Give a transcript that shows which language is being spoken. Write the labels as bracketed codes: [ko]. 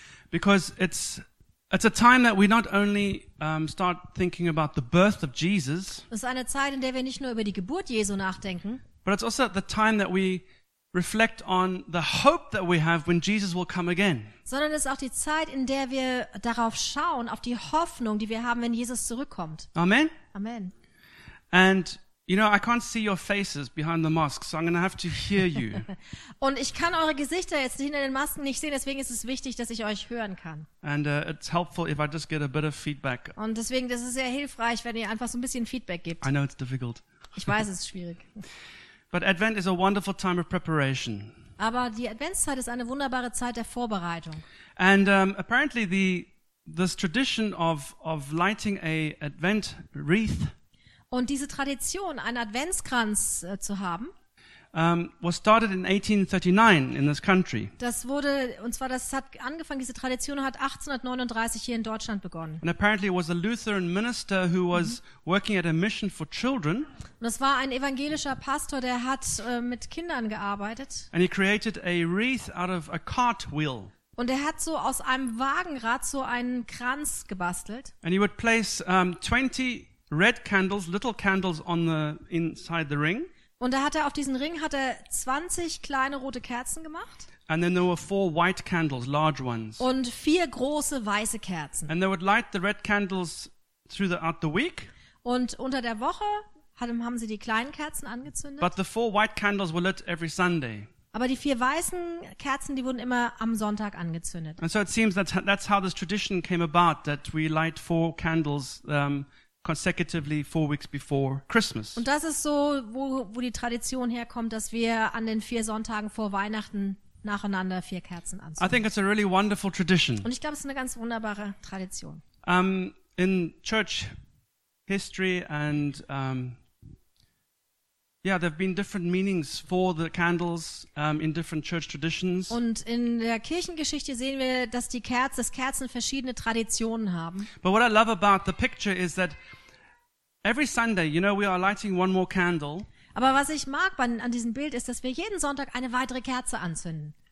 [en] Because it's a time that we not only start thinking about the birth of Jesus. [de] Es ist eine Zeit, in der wir nicht nur über die Geburt Jesu nachdenken. [en] But it's also the time that we reflect on the hope that we have when Jesus will come again. [de] Sondern es ist auch die Zeit, in der wir darauf schauen, auf die Hoffnung, die wir haben, wenn Jesus zurückkommt. Amen. Amen. [en] And you know, I can't see your faces behind the mask, so I'm going to have to hear you. [de] Und ich kann eure Gesichter jetzt hinter den Masken nicht sehen, deswegen ist es wichtig, dass ich euch hören kann. [en] And it's helpful if I just get a bit of feedback. [de] Und deswegen, das ist sehr hilfreich, wenn ihr einfach so ein bisschen Feedback gebt. [en] I know it's difficult. [de] Ich weiß, es ist schwierig. [en] But Advent is a wonderful time of preparation. [de] Aber die Adventszeit ist eine wunderbare Zeit der Vorbereitung. [en] And apparently this tradition of lighting a Advent wreath. [de] Und diese Tradition, einen Adventskranz zu haben, [en] was started in 1839 in this country. [de] Hat angefangen, diese Tradition hat 1839 hier in Deutschland begonnen. [en] And apparently it was a Lutheran minister who was working at a mission for children. [de] Und es war ein evangelischer Pastor, der hat mit Kindern gearbeitet. [en] And he created a wreath out of a cartwheel. [de] Und er hat so aus einem Wagenrad so einen Kranz gebastelt. [en] And he would place 20 red candles, little candles on the inside the ring. [de] Und da hat er auf diesen Ring hat er 20 kleine rote Kerzen gemacht. [en] And then there were 4 white candles, large ones. [de] Und 4 große weiße Kerzen. [en] And they would light the red candles throughout the week. [de] Und unter der Woche haben sie die kleinen Kerzen angezündet. [en] But the 4 white candles were lit every Sunday. [de] Aber die 4 weißen Kerzen, die wurden immer am Sonntag angezündet. [en] And so it seems that's how this tradition came about, that we light 4 candles consecutively 4 weeks before Christmas. [de] Und das ist so, wo die Tradition herkommt, dass wir an den 4 Sonntagen vor Weihnachten nacheinander 4 Kerzen anzünden. [en] I think it's a really wonderful tradition. [de] Und ich glaube, es ist eine ganz wunderbare Tradition. [en] In church history and there have been different meanings for the candles in different church traditions. [de] Und in der Kirchengeschichte sehen wir, dass die Kerzen verschiedene Traditionen haben. [en] But what I love about the picture is that every Sunday, you know, we are lighting one more candle. [de] Aber was ich mag an diesem Bild ist, dass wir jeden Sonntag eine weitere Kerze anzünden.